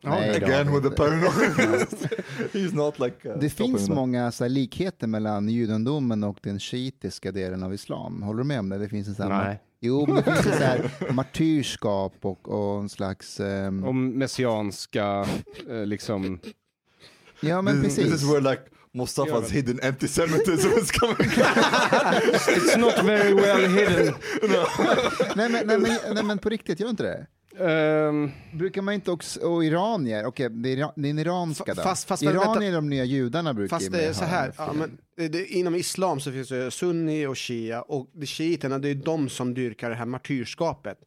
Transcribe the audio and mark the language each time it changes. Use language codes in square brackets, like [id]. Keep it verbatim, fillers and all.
[en] Nej, Again with the paranormal. He's not like... [sv] Det finns många så här, likheter mellan judendomen och den shiitiska delen av islam. Håller du med om det? Det finns en sån här... Nej. Jo, men det finns så här martyrskap och, och en slags... Um... Och messianska, uh, liksom... Ja, men precis. [en] This is where like Mustafas hidden antisemitism is coming. It's not very well hidden. No. [sv] nej, men, nej, men, nej, men på riktigt, gör inte det? Um... Brukar man inte också... Och iranier, okej, okay, det, är, det är en iranska då. Fast, fast, iranier är de nya judarna brukar fast det är så här, ja, men... Det, inom islam så finns det sunni och shia och de shiiterna, det är de som dyrkar det här martyrskapet.